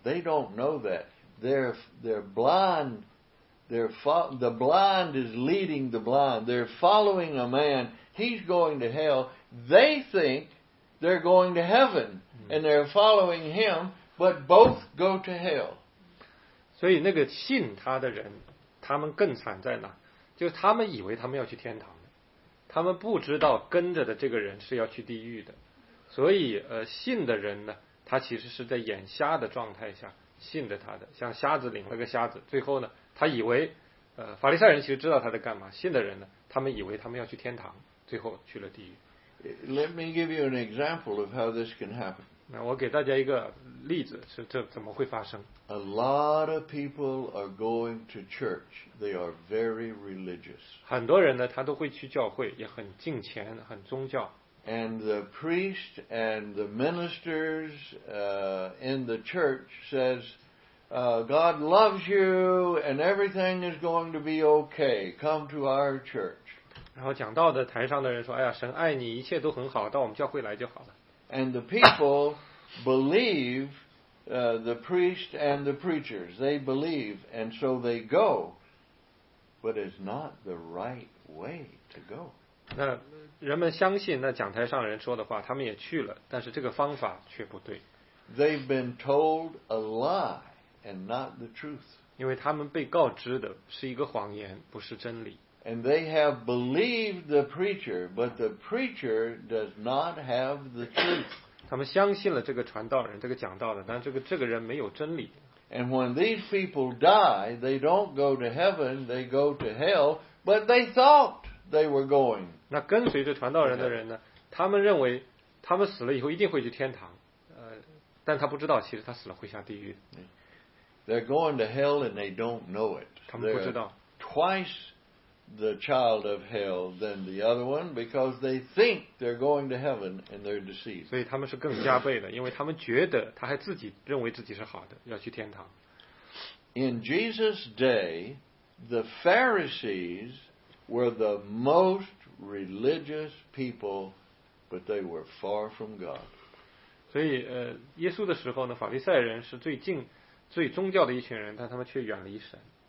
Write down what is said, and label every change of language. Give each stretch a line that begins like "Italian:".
English: They don't know that. They're blind. The blind is leading the blind. They're following a man. He's going to hell. They think they're going to heaven, and they're following him, but both go to hell.
Chinese: 所以那个信他的人他们更惨在哪，就是他们以为他们要去天堂，他们不知道跟着的这个人是要去地狱的。所以信的人呢，他其实是在眼瞎的状态下信着他的，像瞎子领了个瞎子，最后呢他以为法利赛人其实知道他在干嘛，信的人呢他们以为他们要去天堂，最后去了地狱。
English: Let me give you an example of how this can happen.
Chinese: 那我给大家一个例子，是这怎么会发生。
English: A lot of people are going to church. They are very religious.
Chinese: 很多人呢，他都会去教会，也很敬虔，很宗教。
English: And the priest and the ministers in the church says, God loves you and everything is going to be okay. Come to our church.
Chinese: 然后讲道的台上的人说，哎呀，神爱你，一切都很好，到我们教会来就好了。
English: And the people believe. The priest and the preachers, they believe, and so they go, but it's not the right way to go.
Chinese: 那人们相信那讲台上人说的话，他们也去了，但是这个方法却不对。
English: They've been told a lie and not the truth.
Chinese: 因为他们被告知的是一个谎言，不是真理。
English: And they have believed the preacher, but the preacher does not have the truth.
Chinese: 他们相信了这个传道人，这个讲道的，但这个人没有真理。
English: And when these people die, they don't go to heaven, they go to hell, but they thought they were going.
Chinese: 那跟随着传道人的人呢，他们认为他们死了以后一定会去天堂，但他不知道其实他死了会下地狱。
English: They're going to hell and they don't know it.
Chinese: 他们不知道。
English: Twice the child of hell than the other one because they think they're going to heaven and they're deceived.
Chinese: 所以他们是更加倍的，因为他们觉得他还自己认为自己是好的，要去天堂。
English: In Jesus' day, the Pharisees were the most religious people, but they were far from God.
Chinese: 所以耶稣的时候呢，法利赛人是最近最宗教的一群人，但他们却远离神。